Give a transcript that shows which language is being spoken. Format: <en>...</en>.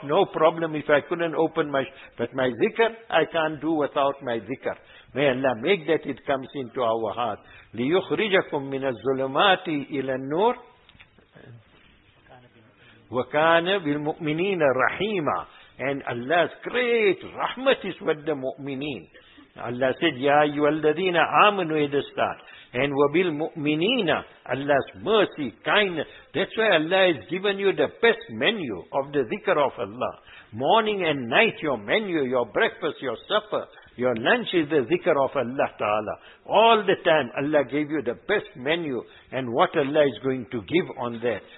<en>No problem if I couldn't open my shop. But my dhikr, I can't do without my dhikr. May Allah make that it comes into our heart.</en> <ar>لِيُخْرِجَكُمْ مِنَ الظُّلُمَاتِ إِلَى النُّورِ وَكَانَ بِالْمُؤْمِنِينَ رَحِيمًا.</ar> <en>And Allah's great rahmat is with the mu'mineen. Allah said,</en> <ar>يَا أَيُّهَا الَّذِينَ آمَنُوا إِذَا اسْتَطَعْتُمْ.</ar> <en>And وَبِالْمُؤْمِنِينَ, Allah's mercy, kindness. That's why Allah has given you the best menu of the dhikr of Allah. Morning and night, your menu, your breakfast, your supper. Your lunch is the zikr of Allah Ta'ala. All the time Allah gave you the best menu and what Allah is going to give on that.</en>